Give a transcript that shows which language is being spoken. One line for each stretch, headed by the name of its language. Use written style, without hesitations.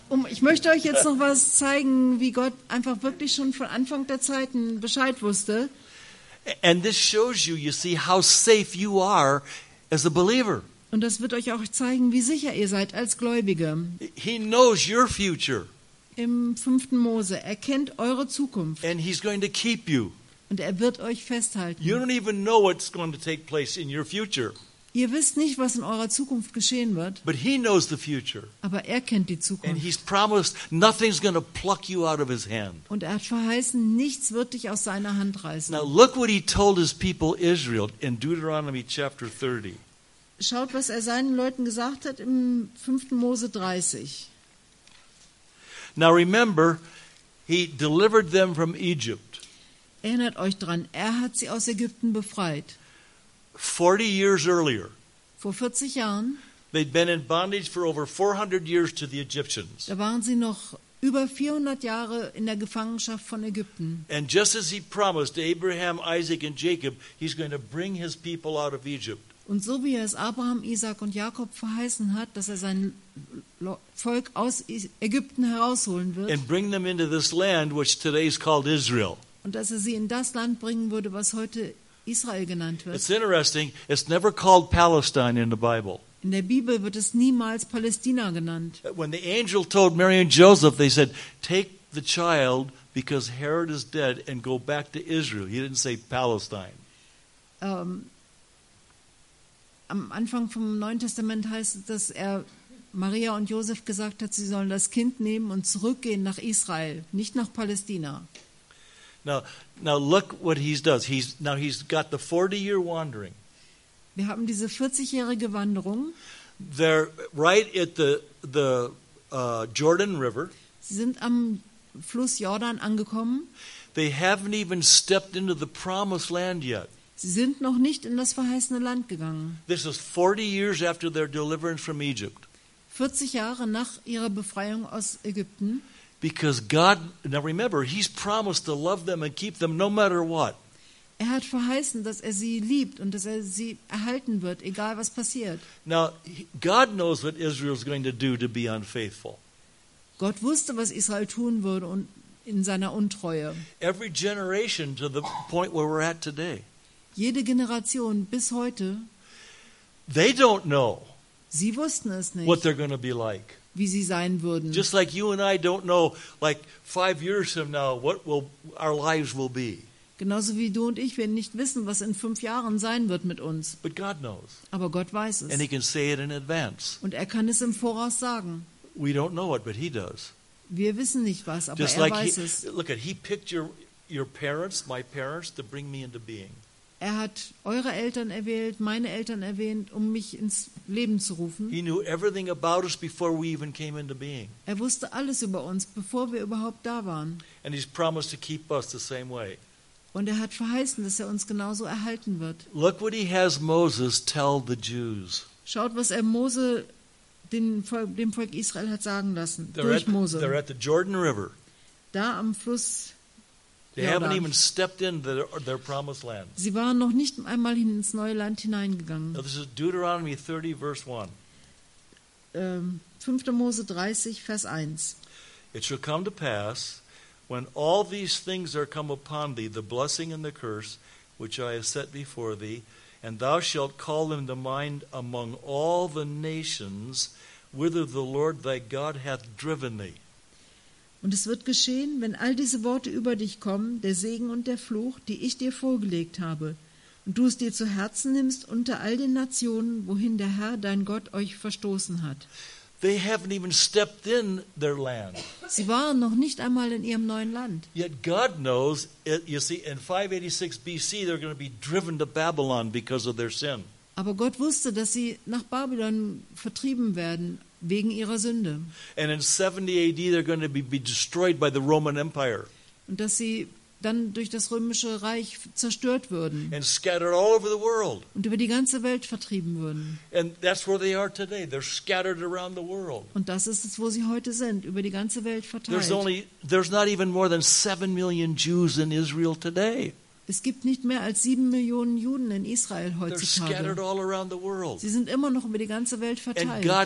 German: Ich möchte euch jetzt noch was zeigen, wie Gott einfach wirklich schon von Anfang der Zeiten Bescheid wusste.
English: And this shows you see, how safe you are as a believer.
German: Und das wird euch auch zeigen, wie sicher ihr seid als Gläubige.
English: He knows your future.
German: Im 5. Mose, er kennt eure Zukunft.
English: And he's going to keep you.
German: Und er wird euch festhalten.
English: You don't even know what's going to take place in your future.
German: Ihr wisst nicht, was in eurer Zukunft geschehen wird.
English: But he knows the future.
German: Aber er kennt die Zukunft.
English: And he's promised nothing's going to pluck you out of his hand.
German: Und er hat verheißen, nichts wird dich aus seiner Hand reißen.
English: Now look what he told his people Israel in Deuteronomy chapter 30.
German: Schaut, was er seinen Leuten gesagt hat im 5. Mose 30.
English: Now remember, he delivered them from Egypt.
German: Erinnert euch dran, er hat sie aus Ägypten befreit.
English: 40 years earlier.
German: Vor 40 Jahren.
English: They'd been in bondage for over 400 years to the Egyptians.
German: Da waren sie noch über 400 Jahre in der Gefangenschaft von Ägypten.
English: And just as he promised Abraham, Isaac and Jacob, he's going to bring his people out of Egypt.
German: Und so wie er es Abraham, Isaak und Jakob verheißen hat, dass er sein Volk aus Ägypten herausholen wird.
English: And bring them into this land, which today is called Israel.
German: Und dass er sie in das Land bringen würde, was heute Israel genannt wird.
English: It's interesting. It's never called Palestine in the Bible.
German: In der Bibel wird es niemals Palästina genannt.
English: When the angel told Mary and Joseph, they said, "Take the child because Herod is dead and go back to Israel." He didn't say Palestine.
German: Am Anfang vom Neuen Testament heißt es, dass er Maria und Josef gesagt hat, sie sollen das Kind nehmen und zurückgehen nach Israel, nicht nach Palästina.
English: Now look what he does. He's got the 40-year wandering.
German: Wir haben diese 40-jährige Wanderung.
English: They're right at the Jordan River.
German: Sie sind am Fluss Jordan angekommen.
English: They haven't even stepped into the promised land yet.
German: Sie sind noch nicht in das verheißene Land gegangen.
English: This is 40 years after their deliverance from Egypt.
German: 40 Jahre nach ihrer Befreiung aus Ägypten.
English: Because God, now remember, he's promised to love them and keep them no matter what.
German: Er hat verheißen, dass er sie liebt und dass er sie erhalten wird, egal was passiert.
English: Now, God knows what Israel is going to do to be unfaithful.
German: Gott wusste, was Israel tun würde und in seiner Untreue.
English: Every generation to the point where we're at today.
German: Jede Generation bis heute.
English: They don't know.
German: Sie wussten es nicht.
English: What they're going to be like.
German: Wie sie sein würden.
English: Just like you and I don't know, like 5 years from now, what will our lives will be.
German: Genauso wie du und ich, wir nicht wissen, was in 5 Jahren sein wird mit uns.
English: But God knows.
German: Aber Gott weiß es.
English: And he can say it in advance.
German: Und er kann es im Voraus sagen.
English: We don't know it, but he does.
German: Wir wissen nicht was, aber
English: just like
German: er weiß es.
English: Look at, he picked your parents, my parents, to bring me into being.
German: Er hat eure Eltern erwählt, meine Eltern erwähnt, um mich ins Leben zu rufen.
English: He knew everything about us before we even came into being.
German: Er wusste alles über uns, bevor wir überhaupt da waren.
English: And he's promised to keep us the same way.
German: Und er hat verheißen, dass er uns genauso erhalten wird.
English: Look what he has Moses tell the Jews.
German: Schaut, was er Mose dem Volk Israel hat sagen lassen. Durch Mose.
English: They're at the Jordan River.
German: Da am Fluss.
English: They haven't even stepped into their promised land.
German: Sie waren noch nicht einmal ins neue Land hineingegangen.
English: Now this is Deuteronomy 30, verse 1.
German: 5. Mose 30, Vers 1.
English: It shall come to pass, when all these things are come upon thee, the blessing and the curse, which I have set before thee, and thou shalt call them to mind among all the nations, whither the Lord thy God hath driven thee.
German: Und es wird geschehen, wenn all diese Worte über dich kommen, der Segen und der Fluch, die ich dir vorgelegt habe, und du es dir zu Herzen nimmst unter all den Nationen, wohin der Herr, dein Gott, euch verstoßen hat.
English: They haven't even stepped in their land.
German: Sie waren noch nicht einmal in ihrem neuen Land.
English: Yet God knows, you see, in 586 BC, they're going to be driven to Babylon because of their sin.
German: Aber Gott wusste, dass sie nach Babylon vertrieben werden wegen ihrer Sünde.
English: And in 70 AD they're going to be destroyed by the Roman Empire.
German: Und dass sie dann durch das Römische Reich zerstört würden.
English: And scattered all over the world.
German: Und über die ganze Welt vertrieben würden.
English: And that's where they are today. They're scattered around the world.
German: Und das ist es, wo sie heute sind, über die ganze Welt verteilt.
English: There's not even more than 7 million Jews in Israel today.
German: Es gibt nicht mehr als 7 Millionen Juden in Israel heutzutage. Sie sind immer noch über die ganze Welt verteilt.